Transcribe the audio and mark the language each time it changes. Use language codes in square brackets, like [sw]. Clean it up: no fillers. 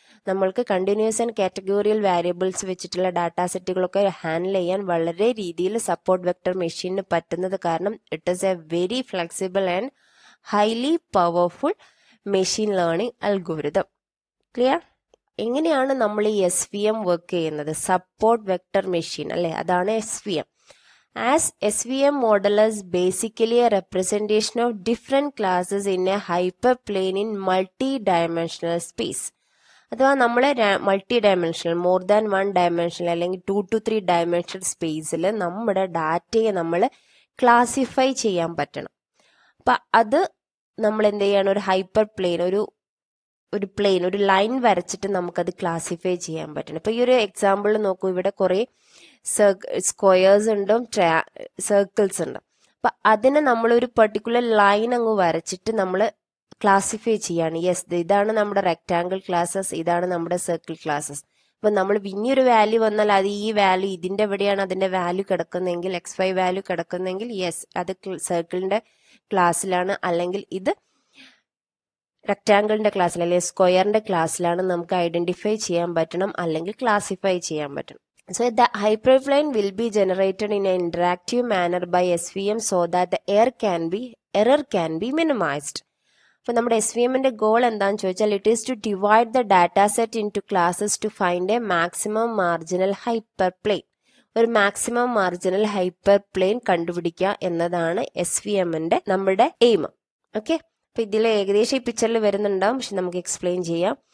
[ml] നമ്മൾക്ക് continuous and കാറ്റഗോറിയൽ variables വെച്ചിട്ടുള്ള data സെറ്റുകളൊക്കെ handle ചെയ്യാൻ വളരെ രീതിയിൽ സപ്പോർട്ട് വെക്ടർ മെഷീനിന് പറ്റുന്നത് കാരണം [en] It is a very flexible and highly powerful machine learning algorithm. [ml] Clear? എങ്ങനെയാണ് നമ്മൾ ഈ എസ് വി എം വർക്ക് ചെയ്യുന്നത്? സപ്പോർട്ട് വെക്ടർ മെഷീൻ അല്ലേ, അതാണ് S V M. [en] As SVM model is basically a representation of different classes in a hyperplane in multi-dimensional space. [ml] അഥവാ നമ്മളെ multi dimensional, [en] more than one dimensional, [ml] അല്ലെങ്കിൽ 2 to 3 dimensional സ്പേസിൽ നമ്മുടെ ഡാറ്റയെ നമ്മൾ ക്ലാസിഫൈ ചെയ്യാൻ പറ്റണം. അപ്പം അത് നമ്മൾ എന്ത് ചെയ്യണം, ഒരു ഹൈപ്പർ പ്ലെയിൻ, ഒരു പ്ലെയിൻ, ഒരു ലൈൻ വരച്ചിട്ട് നമുക്കത് ക്ലാസിഫൈ ചെയ്യാൻ പറ്റണം. ഇപ്പം ഈ ഒരു എക്സാമ്പിൾ നോക്കൂ, ഇവിടെ കുറേ സ്ക്വയേഴ്സ് ഉണ്ടും സർക്കിൾസ് ഉണ്ടും. അപ്പം അതിനെ നമ്മളൊരു പർട്ടിക്കുലർ ലൈൻ അങ്ങ് വരച്ചിട്ട് നമ്മൾ ക്ലാസിഫൈ ചെയ്യാണ്. യെസ്, ഇതാണ് നമ്മുടെ റെക്ടാംഗിൾ ക്ലാസ്സസ്, ഇതാണ് നമ്മുടെ സർക്കിൾ ക്ലാസ്സസ്. അപ്പൊ നമ്മൾ ഇനിയൊരു വാല്യൂ വന്നാൽ അത് ഈ വാല്യൂ ഇതിന്റെ എവിടെയാണ് അതിന്റെ value കിടക്കുന്നതെങ്കിൽ, X Y value കിടക്കുന്നെങ്കിൽ yes അത് സർക്കിളിന്റെ ക്ലാസ്സിലാണ്, അല്ലെങ്കിൽ ഇത് റെക്ടാംഗിളിന്റെ ക്ലാസ്സിൽ അല്ലെങ്കിൽ സ്ക്വയറിന്റെ ക്ലാസ്സിലാണ് നമുക്ക് ഐഡന്റിഫൈ ചെയ്യാൻ പറ്റണം, അല്ലെങ്കിൽ ക്ലാസിഫൈ ചെയ്യാൻ പറ്റണം. [en] So the hyperplane will be generated in an interactive manner by SVM so that the error can be minimized. [ml] അപ്പൊ നമ്മുടെ എസ് വി എമ്മിന്റെ ഗോൾ എന്താന്ന് ചോദിച്ചാൽ, [en] It is to divide the data set in two classes to find a maximum marginal hyper plane. [ml] ഒരു maximum marginal hyper plane കണ്ടുപിടിക്കുക എന്നതാണ് S V എമ്മിന്റെ നമ്മുടെ എയിം. ഓക്കെ, അപ്പൊ ഇതിൽ ഏകദേശം ഈ പിക്ചറിൽ വരുന്നുണ്ടാവും, പക്ഷെ നമുക്ക് എക്സ്പ്ലെയിൻ ചെയ്യാം.